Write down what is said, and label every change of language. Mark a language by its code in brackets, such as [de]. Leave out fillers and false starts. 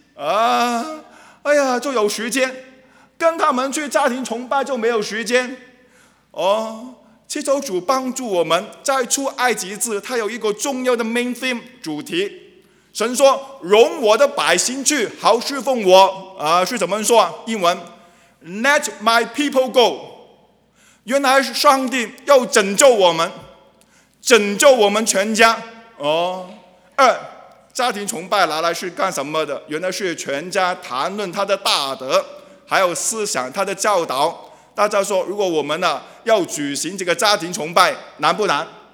[zh] 啊，哎呀，就有时间跟他们去家庭崇拜，就没有时间哦。祈求主帮助我们在出埃及记，它有一个重要的 main theme 主题。神说：“容我的百姓去，好侍奉我。” 啊，是怎么说？英文 [en] ：“Let my people go。” [zh] 原来上帝要拯救我们，拯救我们全家哦。二，家庭崇拜拿来是干什么的？原来是全家谈论他的大德，还有思想他的教导。大家说，如果我们呢要举行这个家庭崇拜，难不难？